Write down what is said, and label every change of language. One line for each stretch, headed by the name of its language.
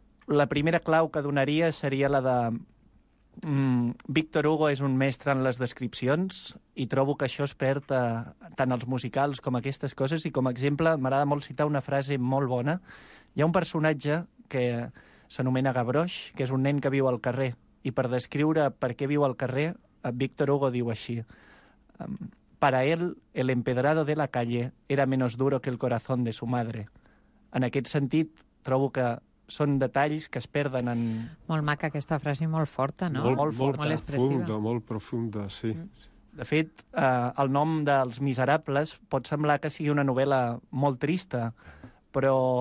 Catalan: La primera clau que donaria seria la de... Víctor Hugo és un mestre en les descripcions i trobo que això es perd tant als musicals com aquestes coses. I com a exemple, m'agrada molt citar una frase molt bona. Hi ha un personatge que s'anomena Gavroche, que és un nen que viu al carrer. I per descriure per què viu al carrer, Víctor Hugo diu així...
Spanish: Para él, el empedrado de la calle era menos duro que el corazón de su madre.
Catalan: En aquest sentit, trobo que són detalls que es perden en... Molt maca aquesta frase, molt forta, no? Molt forta. Molt expressiva. Molt profunda, sí. Mm. De fet, el nom dels Miserables pot semblar que sigui una novel·la molt trista, però...